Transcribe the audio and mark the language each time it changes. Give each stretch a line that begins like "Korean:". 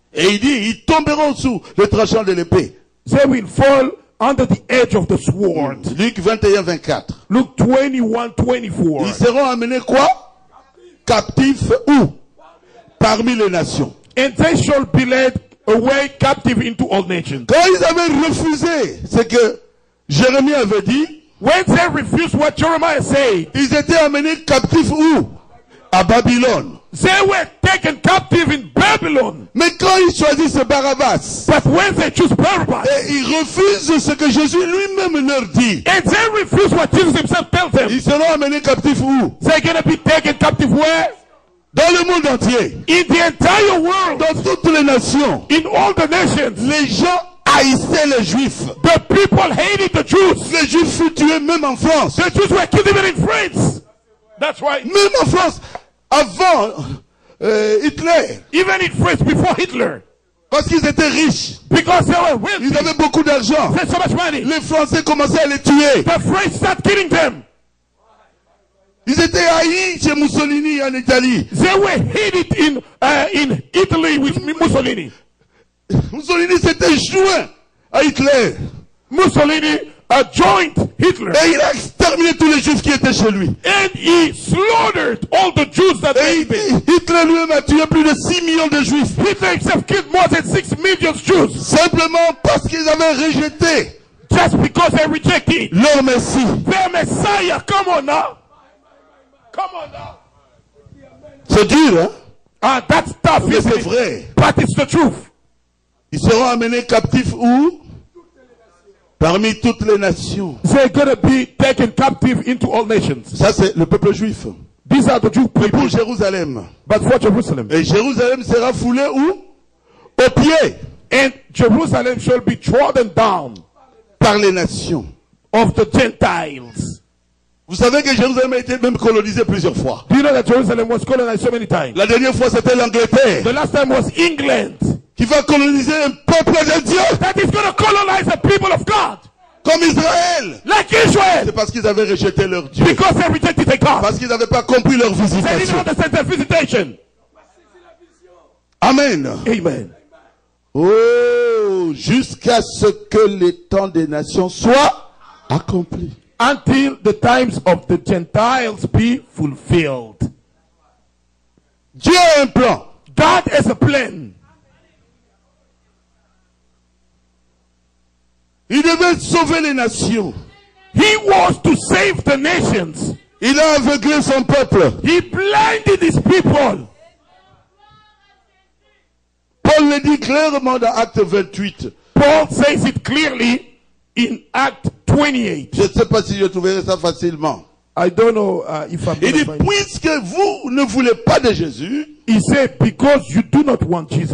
French: Et il dit, ils tomberont sous le tranchant de l'épée.
English: They will fall under the edge of the sword.
French: Luc 21, 24.
English: Luke 21, 24.
French: Ils seront amenés quoi? Captifs où? Parmi les nations.
English: And they shall be led away captive into all nations.
French: Quand ils avaient refusé ce que Jérémie avait dit,
English: when they refused what Jeremiah said,
French: ils étaient amenés captifs où? À Babylone.
English: They were taken captive in Babylon.
French: Mais quand ils choisissent Barabbas,
English: but when they choose Barabbas,
French: et ils refusent ce que Jésus lui-même leur dit,
English: and they refuse what Jesus himself tells them,
French: ils seront amenés captifs où?
English: They're gonna be taken captive where?
French: Dans le monde entier.
English: In the entire world.
French: Dans toutes les nations.
English: In all the nations.
French: Les gens haïssaient les Juifs.
English: The people hated the Jews.
French: Les Juifs furent tués même en France.
English: The Jews were killed even in France. That's right.
French: Même en France. Avant Hitler.
English: Even in France before Hitler.
French: Parce qu'ils étaient riches.
English: Because they were wealthy.
French: Ils avaient beaucoup d'argent.
English: They had so much money.
French: Les Français commençaient à les tuer.
English: The French started killing them.
French: Ils étaient haïs chez Mussolini en Italie.
English: They were hated in Italy with Mussolini.
French: Mussolini s'était joint à Hitler.
English: Mussolini joined Hitler.
French: Et il a exterminé tous les Juifs qui étaient chez lui.
English: And he slaughtered all the Jews that they had.
French: Hitler lui-même a tué plus de 6 millions de Juifs.
English: Hitler himself killed more than 6 million Jews.
French: Simplement parce qu'ils avaient rejeté.
English: Just because they rejected.
French: Leur Messie.
English: Their Messiah, come on now.
French: C'est dur, hein?
English: Ah, that's tough.
French: Mais c'est vrai.
English: But it's the truth.
French: Ils seront amenés captifs où? Parmi toutes les nations.
English: They're gonna be taken captive into all nations.
French: Ça c'est le peuple juif.
English: These are the Jews.
French: Mais pour Jérusalem.
English: But for Jerusalem.
French: Et Jérusalem sera foulée où? Aux pieds.
English: And Jerusalem shall be trodden down.
French: Par les nations.
English: Of the Gentiles.
French: Vous savez que Jérusalem a été même colonisée plusieurs fois.
English: Do you know that Jerusalem was colonized so many times?
French: La dernière fois c'était l'Angleterre.
English: The last time was England.
French: Qui va coloniser un peuple de Dieu?
English: That is going to colonize the people of God.
French: Comme Israël.
English: Like Israel.
French: C'est parce qu'ils avaient rejeté leur Dieu.
English: Because they rejected their God.
French: Parce qu'ils n'avaient pas compris leur visitation.
English: They didn't understand their visitation.
French: Amen.
English: Amen.
French: Oh, jusqu'à ce que les temps des nations soient accomplis.
English: Until the times of the Gentiles be fulfilled.
French: Dieu a un plan.
English: God has a plan.
French: Il devait sauver les nations.
English: He was to save the nations.
French: Il a aveuglé son peuple.
English: He blinded his people.
French: Paul le dit clairement dans Acte 28.
English: Paul says it clearly in Acte 28.
French: Je ne sais pas si je trouverai ça facilement.
English: I don't know if I'm.
French: Il dit puisque vous ne voulez pas de Jésus. He said because you do not want Jesus.